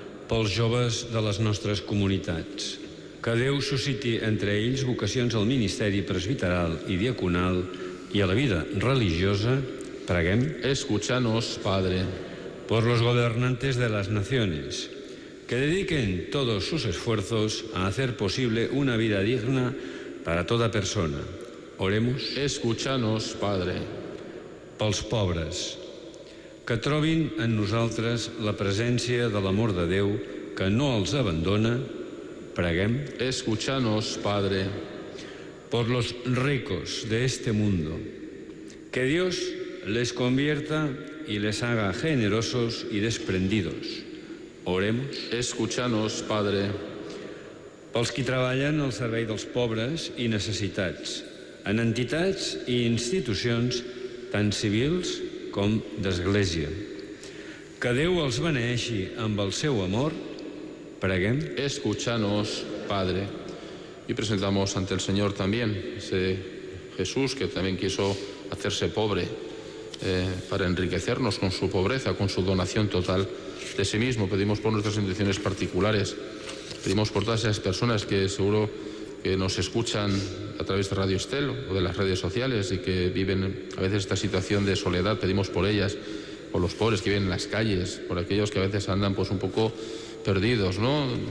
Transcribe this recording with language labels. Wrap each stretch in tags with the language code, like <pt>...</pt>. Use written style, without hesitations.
<ca>Pels joves de les nostres comunitats, que Déu susciti entre ells vocacions al ministeri presbiteral i diaconal i a la vida religiosa, preguem.</ca> <es>Escúchanos, Padre. Por los gobernantes de las naciones, que dediquen todos sus esfuerzos a hacer posible una vida digna para toda persona. Oremos. Escúchanos, Padre.</es> <ca>Pels pobres, que trobin en nosaltres la presència de l'amor de Déu que no els abandona, preguem.</ca> <es>Escúchanos, Padre. Por los ricos de este mundo, que Dios les convierta y les haga generosos y desprendidos. Oremos. Escúchanos, Padre.</es> <ca>Pels qui treballen al servei dels pobres i necessitats, en entitats i institucions tant civils com d'església. Que Déu els beneeixi amb el seu amor, preguem.</ca> <es>Escúchanos, Padre. Y presentamos ante el Señor también ese Jesús que también quiso hacerse pobre para enriquecernos con su pobreza, con su donación total de sí mismo. Pedimos por nuestras intenciones particulares, pedimos por todas esas personas que seguro que nos escuchan a través de Radio Estel o de las redes sociales y que viven a veces esta situación de soledad. Pedimos por ellas, por los pobres que viven en las calles, por aquellos que a veces andan pues un poco perdidos, ¿no?</es>